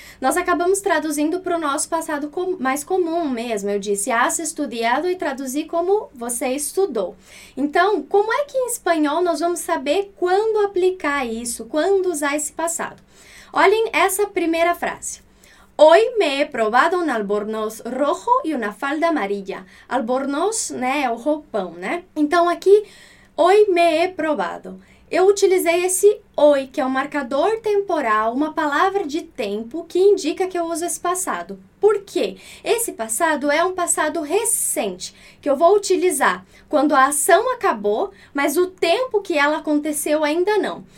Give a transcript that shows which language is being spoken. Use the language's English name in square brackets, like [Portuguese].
[Portuguese] Nós acabamos traduzindo para o nosso passado mais comum mesmo. Eu disse, has estudiado e traduzi como você estudou. Então, como é que em espanhol nós vamos saber quando aplicar isso, quando usar esse passado? Olhem essa primeira frase. [Spanish] Hoy me he probado un albornoz rojo y una falda amarilla. [Portuguese] Albornoz, né, é o roupão, né? Então, aqui, [Spanish] hoy me he probado. [Portuguese] Eu utilizei esse hoy, que é o marcador temporal, uma palavra de tempo que indica que eu uso esse passado. Por quê? Esse passado é um passado recente, que eu vou utilizar quando a ação acabou, mas o tempo que ela aconteceu ainda não.